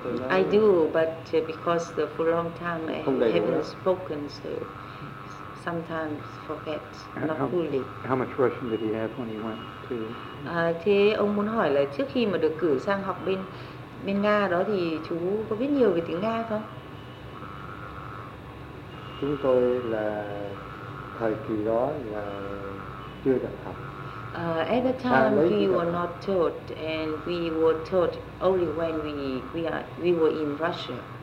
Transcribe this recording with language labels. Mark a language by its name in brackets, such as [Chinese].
[English] I do, but because for a long time I haven't spoken, so sometimes forget, not fully. How much Russian did he have when he went to? [Vietnamese] Thế ông muốn hỏi là trước khi mà được cử sang học bên bên Nga đó thì chú có biết nhiều về tiếng Nga không? Chúng tôi là thời kỳ đó là chưa được học. [English] At the time we were not taught, and we were taught only when we were in Russia.